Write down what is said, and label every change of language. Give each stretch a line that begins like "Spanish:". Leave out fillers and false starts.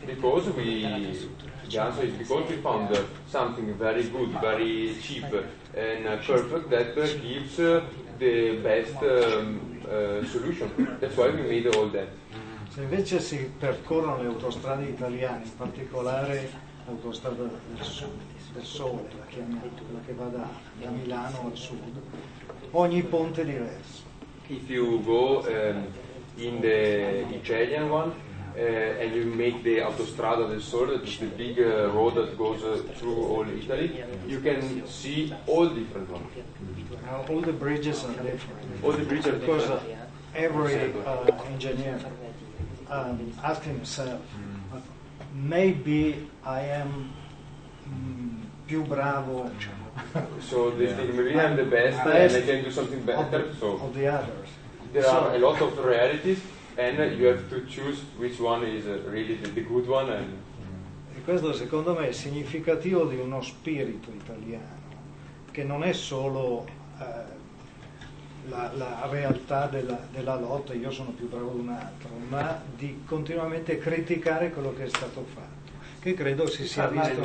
English: Because we, the answer is because we found something very good, very cheap, and perfect that gives the best solution. That's why we made all that.
Italian: Se invece si percorrono le autostrade italiane, in particolare l'autostrada del Sole, la che va da Milano al sud, ogni ponte è diverso.
English: If you go in the Italian one and you make the Autostrada del Sole, which is the big road that goes through all Italy, you can see all different ones. All the bridges are different. All the bridges are different. Because every engineer ask himself, maybe I am
Italian: più bravo.
English: So this thing, maybe I'm the best and I can do something better. Of the others. There are a lot of realities, and you have to choose which one is really the good one. And
Italian: questo secondo me è significativo di uno spirito italiano che non è solo la realtà della lotta, io sono più bravo di un altro, ma di continuamente criticare quello che è stato fatto, che credo si sia visto